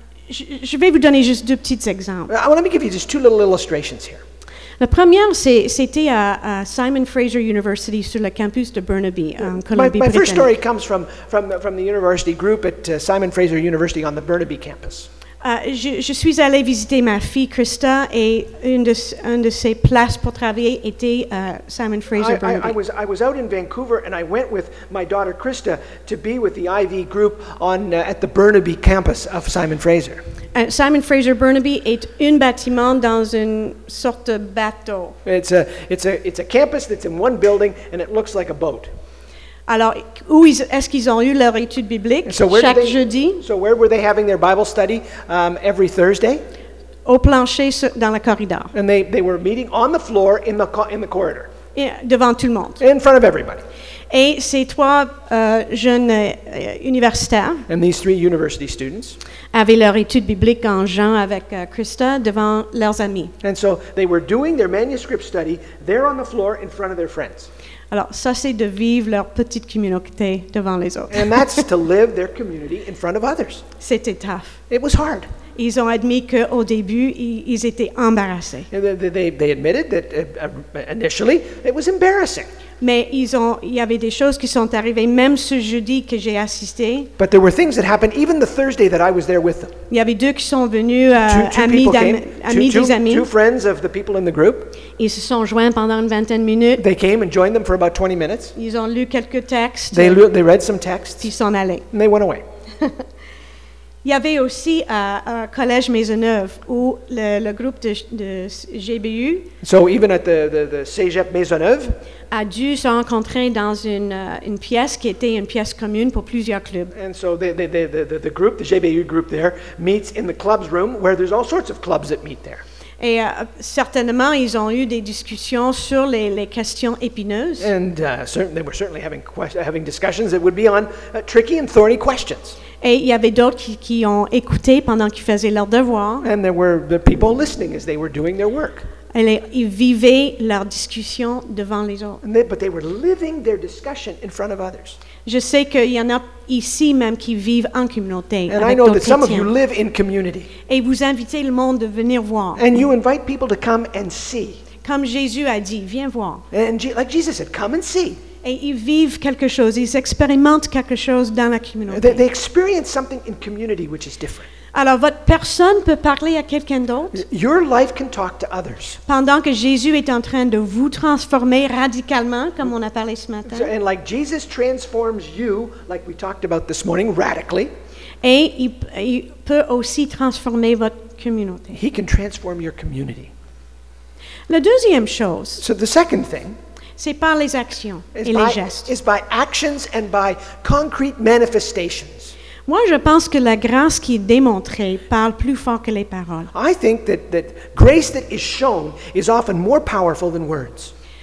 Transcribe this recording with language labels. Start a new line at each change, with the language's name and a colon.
French: Je vais vous donner juste deux petits exemples.
English: Let me give you just two little illustrations here.
French: La première, c'était à Simon Fraser University sur le campus de Burnaby, en Colombie-Britannique.
English: My first story comes from the university group at Simon Fraser University on the Burnaby campus.
French: Je suis allée visiter ma fille Krista et une de ses places pour travailler était Simon Fraser Burnaby.
English: I was out in Vancouver and I went with my daughter Krista to be with the IV group at the Burnaby campus of Simon Fraser.
French: Simon Fraser Burnaby est un bâtiment dans une sorte de bateau.
English: It's a campus that's in one building and it looks like a boat.
French: Alors, où est-ce qu'ils ont eu leur étude biblique chaque jeudi?
English: So where were they having their Bible study every Thursday?
French: Au plancher dans le corridor.
English: And they were meeting on the floor in the corridor.
French: Et devant tout le monde.
English: In front of everybody.
French: Et ces trois jeunes universitaires.
English: And these three university students.
French: Avaient leur étude biblique en Jean avec Krista devant leurs amis.
English: And so they were doing their manuscript study there on the floor in front of their friends.
French: Alors, ça, c'est de vivre leur petite communauté devant les autres.
English: And that's to live their community in front of others.
French: C'était tough.
English: It was hard.
French: Ils ont admis qu'au début, ils étaient embarrassés.
English: They admitted that initially, it was embarrassing.
French: Mais il y avait des choses qui sont arrivées, même ce jeudi que j'ai assisté.
English: But there were things that happened even the Thursday that I was there with them.
French: Il y avait deux qui sont venus, amis.
English: Two friends of the people in the group.
French: Ils se sont joints pendant une vingtaine de minutes.
English: They came and joined them for about 20 minutes.
French: Ils ont lu quelques textes.
English: They read some texts.
French: Ils sont allés.
English: And they went away.
French: Il y avait aussi à Collège Maisonneuve où le groupe de GBU.
English: So even at the Cégep Maisonneuve.
French: A dû se rencontrer dans une pièce qui était une pièce commune pour plusieurs clubs.
English: And so the group, the GBU group there, meets in the club's room where there's all sorts of clubs that meet there.
French: Et certainement, ils ont eu des discussions sur les questions épineuses.
English: And they were certainly having discussions that would be on tricky and thorny questions.
French: Et il y avait d'autres qui ont écouté pendant qu'ils faisaient leur devoir.
English: And there were the people listening as they were doing their work.
French: Ils vivaient leur discussion devant les autres.
English: But they were living their discussion in front of others.
French: Je sais qu'il y en a ici même qui vivent en communauté.
English: And
French: avec
English: I know
French: d'autres
English: that some of you live in community.
French: Et vous invitez le monde de venir voir.
English: And you invite people to come and see.
French: Comme Jésus a dit, viens voir.
English: And like Jesus said, come and see.
French: Et ils vivent quelque chose, ils expérimentent quelque chose dans la communauté.
English: They experience something in community which is different.
French: Alors, votre personne peut parler à quelqu'un d'autre.
English: Your life can talk to others.
French: Pendant que Jésus est en train de vous transformer radicalement, comme on a parlé ce matin.
English: And like Jesus transforms you, like we talked about this morning, radically.
French: Et il peut aussi transformer votre communauté.
English: He can transform your community.
French: La deuxième chose.
English: So the second thing.
French: C'est par les actions et les gestes.
English: Is by actions and by concrete manifestations.
French: Moi, je pense que la grâce qui est démontrée parle plus fort que les paroles.
English: I think that grace that is shown is often more powerful than words.